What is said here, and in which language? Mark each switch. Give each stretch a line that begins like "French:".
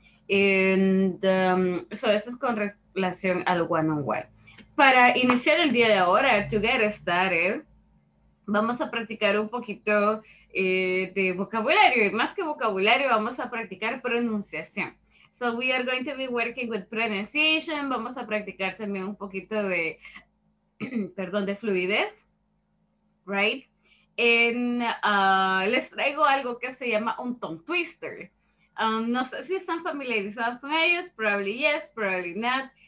English: And so
Spanish: eso es con relación al one-on-one. Para iniciar el día de ahora,
English: to get started,
Spanish: vamos a practicar un poquito de vocabulario. Y más que vocabulario, vamos a practicar pronunciación.
English: So we are going to be working with pronunciation.
Spanish: Vamos a practicar también un poquito de, perdón, de fluidez. Right? En, les traigo algo que se llama un tongue twister. No sé si están familiarizados con ellos.
English: Probably yes, probably not.